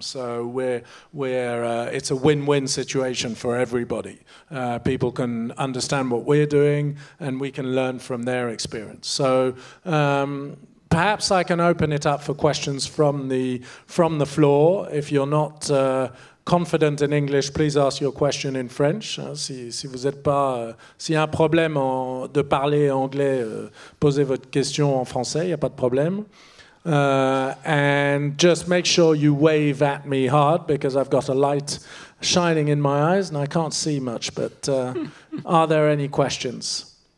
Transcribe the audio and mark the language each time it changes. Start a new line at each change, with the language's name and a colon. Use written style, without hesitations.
English: So it's a win-win situation for everybody. People can understand what we're doing, and we can learn from their experience. So perhaps I can open it up for questions from the floor. If you're not confident in English, please ask your question in French.
French: Si vous êtes pas si un problème de parler anglais, posez votre question en français. Y a pas de problème.
English: And just make sure you wave at me hard because I've got a light shining in my eyes and I can't see much. But are there any questions?